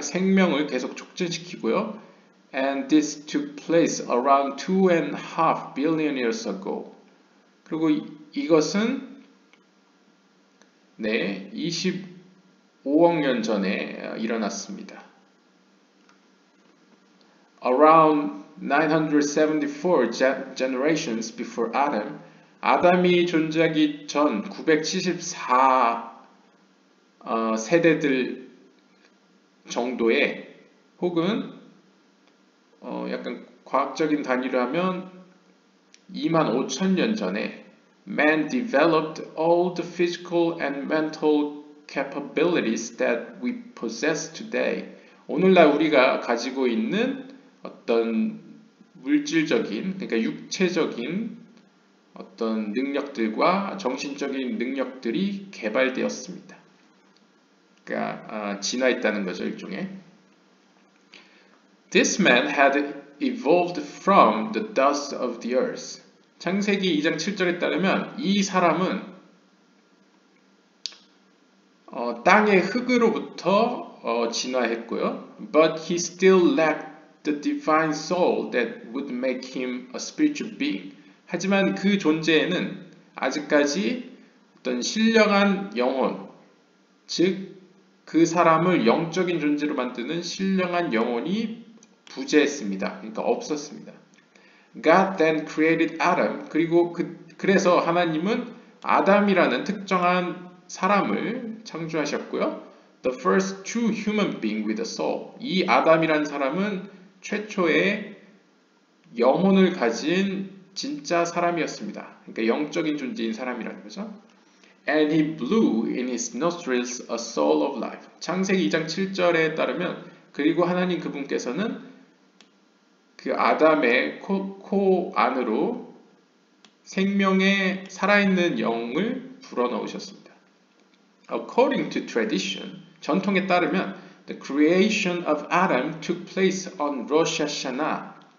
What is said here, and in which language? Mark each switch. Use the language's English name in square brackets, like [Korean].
[Korean] 생명을 계속 촉진시키고요. [English] And this took place around 2.5 billion years ago. [Korean] 그리고 이것은 네, 25억 년 전에 일어났습니다. [English] Around 974 generations before Adam, [Korean] 아담이 존재하기 전974 세대들 정도에 혹은 약간 과학적인 단위로 하면 2만 5천 년 전에 [English] man developed all the physical and mental capabilities that we possess today. [Korean] 오늘날 우리가 가지고 있는 어떤 물질적인, 그러니까 육체적인 어떤 능력들과 정신적인 능력들이 개발되었습니다. 그러니까 진화했다는 거죠, 일종의. [English] This man had evolved from the dust of the earth. [Korean] 창세기 2장 7절에 따르면 이 사람은 땅의 흙으로부터 진화했고요. [English] But he still lacked the divine soul that would make him a spiritual being. [Korean] 하지만 그 존재에는 아직까지 어떤 신령한 영혼, 즉그 사람을 영적인 존재로 만드는 신령한 영혼이 부재했습니다. 그러니까 없었습니다. [English] God then created Adam. [Korean] 그리고 그래서 하나님은 아담이라는 특정한 사람을 창조하셨고요. [English] The first true human being with a soul. [Korean] 이 아담이라는 사람은 최초의 영혼을 가진 진짜 사람이었습니다. 그러니까 영적인 존재인 사람이라는 거죠. [English] And he blew in his nostrils a soul of life. [Korean] 창세기 2장 7절에 따르면, 그리고 하나님 그분께서는 그 아담의 코 안으로 생명의 살아있는 영을 불어넣으셨습니다. [English] According to tradition, [Korean] 전통에 따르면, [English] the creation of Adam took place on Rosh Hashanah.